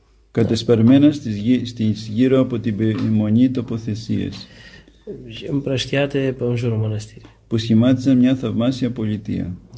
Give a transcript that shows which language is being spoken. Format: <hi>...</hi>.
<el>κατεσπερμένα στις γύρω από την Μονή τοποθεσίες</el> <ro>împrăștiate pe în jurul mănăstirii.</ro> <el>Που σχημάτιζαν μια θαυμάσια πολιτεία.</el>